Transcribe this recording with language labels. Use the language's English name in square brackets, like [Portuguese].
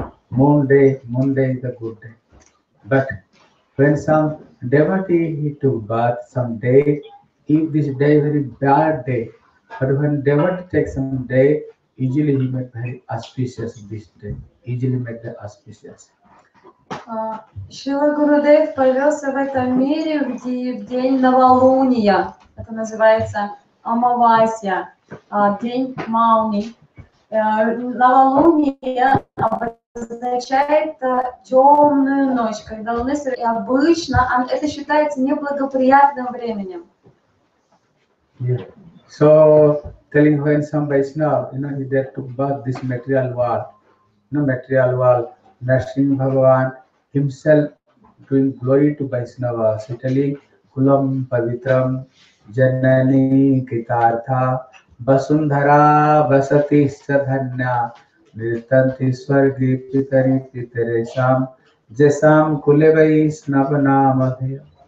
[English] Moon day is the good day. But when some devotee he took bath some day, if this day is very bad day, but when devotee takes some day, easily he made very auspicious this day. Easily made the auspicious. [Russian] Шрила Гурудев появился в этом мире в день новолуния. Это называется Амавасия, день Мауни. Новолуние обозначает темную ночь, когда луны светят. И обычно это считается неблагоприятным временем. [English] Yeah. So, telling when some Vaishnava, you know, he there took birth this material world, you know, material world, Narasimha Bhagavan himself doing glory to Vaishnava. [Sanskrit] So telling, Kulam Pavitram Janani Kitartha Vasundhara Vasati Sadhanya Nirtanti Swargi Pitari Pitaresham Jesam Kulevai Snavana Madhya.